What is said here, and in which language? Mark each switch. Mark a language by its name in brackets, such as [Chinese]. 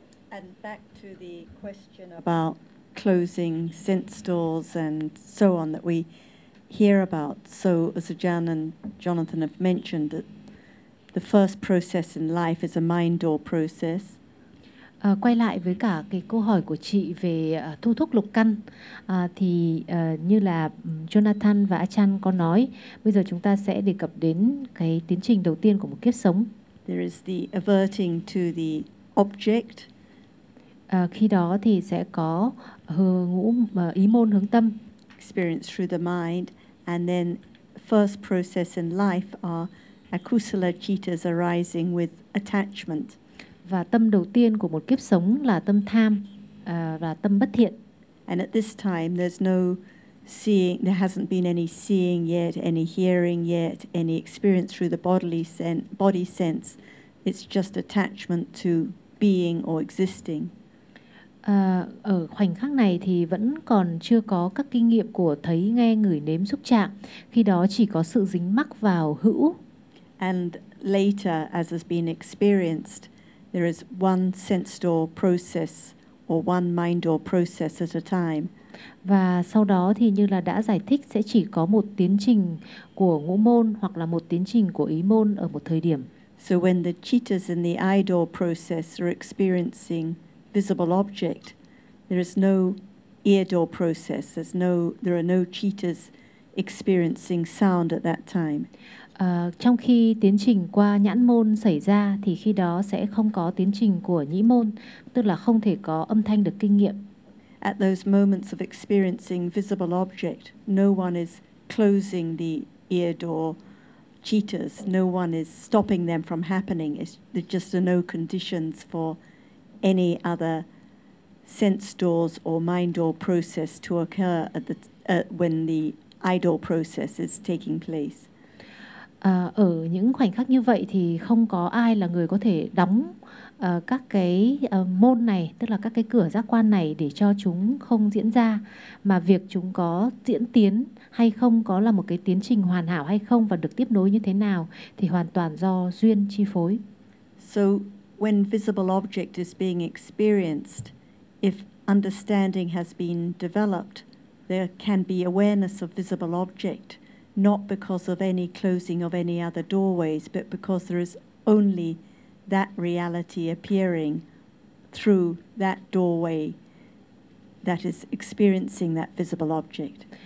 [English] And back to the question about closing sense doors and so on that we hear about. So as Ajahn and Jonathan have mentioned, that the first process in life is a mind door process. [Vietnamese] Quay lại với cả cái câu hỏi của chị về thu thúc lục căn, thì như là Jonathan và Ajahn có nói, bây giờ chúng ta sẽ đề cập đến cái tiến trình đầu tiên của một kiếp sống. [English] There is the averting to the object. [Vietnamese] Khi đó thì sẽ có ý môn hướng tâm. [English] Experience through the mind, and then first process in life are akusala cittas arising with attachment. [Vietnamese] Và tâm đầu tiên của một kiếp sống là tâm tham và tâm bất thiện. [English] And at this time there's no seeing, there hasn't been any seeing yet, any hearing yet, any experience through the bodily sense, body sense. It's just attachment to being or existing. [Vietnamese] Ở khoảnh khắc này thì vẫn còn chưa có các kinh nghiệm của thấy, nghe, ngửi, nếm, xúc chạm. Khi đó chỉ có sự dính mắc vào hữu. [English] And later, as has been experienced, there is one sense door process or one mind door process at a time. [Vietnamese] Và sau đó thì như là đã giải thích sẽ chỉ có một tiến trình của ngũ môn hoặc là một tiến trình của ý môn ở một thời điểm. [English] So when the cittas in the eye door process are experiencing visible object, there is no ear door process. There are no cittas experiencing sound at that time. [Vietnamese] Trong khi tiến trình qua nhãn môn xảy ra thì khi đó sẽ không có tiến trình của nhĩ môn, tức là không thể có âm thanh được kinh nghiệm. [English] At those moments of experiencing visible object, no one is closing the ear door cittas. No one is stopping them from happening. There just are no conditions for any other sense doors or mind door process to occur at the when the eye door process is taking place. [Vietnamese] Ở những khoảnh khắc như vậy thì không có ai là người có thể đóng các cái môn này, tức là các cái cửa giác quan này để cho chúng không diễn ra, mà việc chúng có diễn tiến hay không, có là một cái tiến trình hoàn hảo hay không và được tiếp nối như thế nào thì hoàn toàn do duyên chi phối. [English] So when visible object is being experienced, if understanding has been developed, there can be awareness of visible object, not because of any closing of any other doorways, but because there is only that reality appearing through that doorway that is experiencing that visible object.